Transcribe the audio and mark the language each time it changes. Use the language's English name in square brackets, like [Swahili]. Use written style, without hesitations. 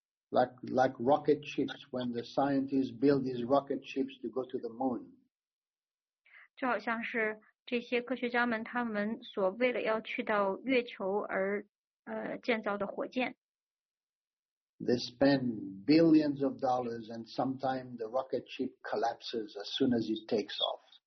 [English] Like rocket ships, when the scientists build these rocket ships to go to the moon. [Chinese] 就好像是这些科学家们他们所为了要去到月球而建造的火箭。 [English] They spend billions of dollars, and sometimes the rocket ship collapses as soon as it takes off.